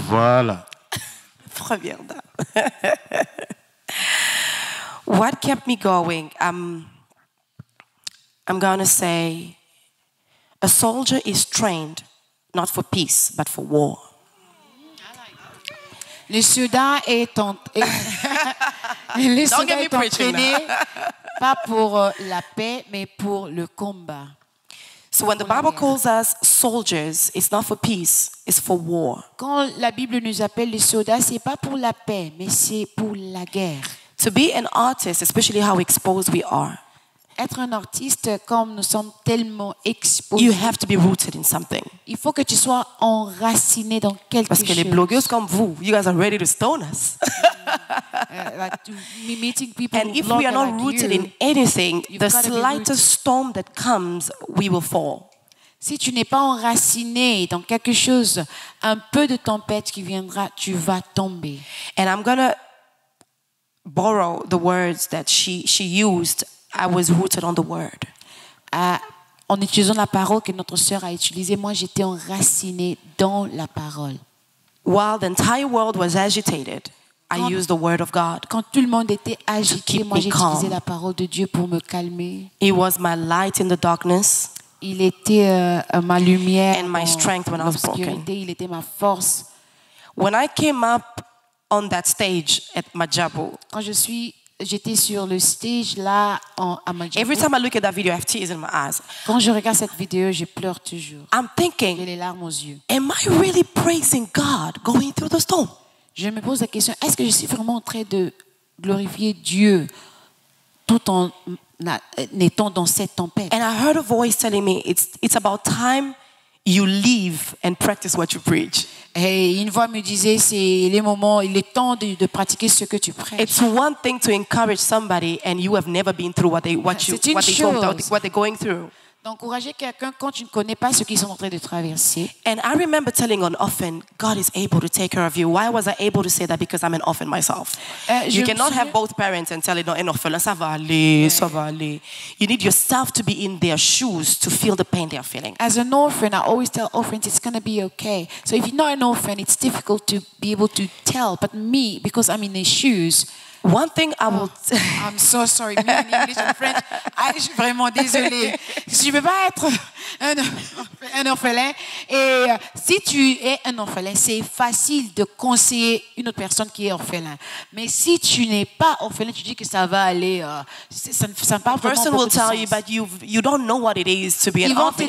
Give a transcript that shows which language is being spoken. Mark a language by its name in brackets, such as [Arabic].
[French] Voilà. [English] Première Dame. What kept me going? I'm going to say, a soldier is trained not for peace, but for war. [French] Le soldat est entraîné pas pour la paix, mais pour le combat. [English] So when the Bible calls us soldiers, it's not for peace, it's for war. [French] Quand la Bible nous appelle les soldats, c'est pas pour la paix, mais c'est pour la guerre. [English] To be an artist, especially how exposed we are. [French] Être un artiste comme nous sommes tellement exposés. [English] You have to be rooted in something. [French] Il faut que tu sois enraciné dans quelque chose. Parce que les blogueuses comme vous, [English] you guys are ready to stone us. Like meeting people. And if we are not rooted in anything, the slightest storm that comes, we will fall. [French] Si tu n'es pas enraciné dans quelque chose, un peu de tempête qui viendra, tu vas tomber. [English] And I'm gonna borrow the words that she used. I was rooted on the word. [French] En utilisant la parole que notre sœur a utilisée, moi j'étais enracinée dans la parole. [English] While the entire world was agitated, I used the word of God. [French] Quand tout le monde était agité, moi j'ai utilisé la parole de Dieu pour me calmer. [English] It was my light in the darkness. [French] Il était ma lumière. [English] And my strength when I was broken. [French] Il était ma force. [English] When I came up on that stage at Majabu. [French] Quand j'étais sur le stage là à Majabu. [English] Every time I look at that video, I have tears in my eyes. [French] Quand je regarde cette vidéo, je pleure toujours. [English] I'm thinking. [French] J'ai les larmes aux yeux. [English] Am I really praising God going through the storm? [French] Je me pose la question. Est-ce que je suis vraiment en train de glorifier Dieu tout en étant dans cette tempête? [English] And I heard a voice telling me, it's about time you leave and practice what you preach. [French] Et une voix me disait, c'est le moment, il est temps de pratiquer ce que tu prêches. [English] It's one thing to encourage somebody and you have never been through what they're going through. [French] D'encourager quelqu'un quand tu ne connais pas ce qu'ils sont en train de traverser. [English] And I remember telling an orphan, God is able to take care of you. Why was I able to say that? Because I'm an orphan myself. You cannot have both parents and tell an orphan, [French] ça va aller, ça va aller. [English] You need yourself to be in their shoes to feel the pain they are feeling. As an orphan, I always tell orphans, it's going to be okay. So if you're not an orphan, it's difficult to be able to tell. But me, because I'm in their shoes, one thing I will. I'm so sorry. Me in English and French. I am [French] vraiment désolée. Je veux pas être un orphelin. Et si tu es un orphelin, c'est facile de conseiller une autre personne qui est orphelin. Mais si tu n'es pas orphelin, tu dis que ça va aller. Ça ne parle pas. [English] Person will tell you, but you don't know what it is to be an orphan.